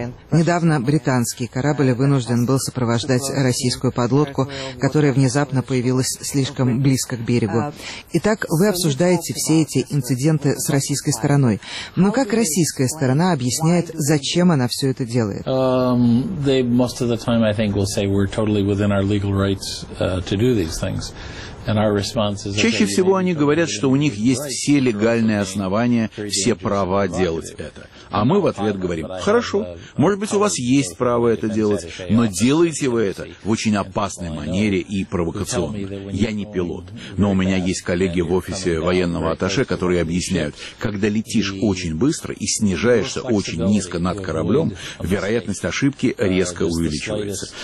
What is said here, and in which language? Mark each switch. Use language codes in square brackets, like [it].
[ru] Недавно британский корабль вынужден был сопровождать российскую подлодку, которая внезапно появилась слишком близко к берегу. Итак, вы обсуждаете все эти инциденты с российской стороной. Но как российская сторона объясняет, зачем она все это делает? [en] Most of the time, I think, will say we're totally within our legal rights to do these things. [ru] Чаще всего они говорят, что у них есть все легальные основания, все права делать это. А мы в ответ говорим, хорошо, может быть, у вас есть право это делать, но делаете вы это в очень опасной манере и провокационно. Я не пилот, но у меня есть коллеги в офисе военного атташе, которые объясняют, когда летишь очень быстро и снижаешься очень низко над кораблем, вероятность ошибки резко увеличивается.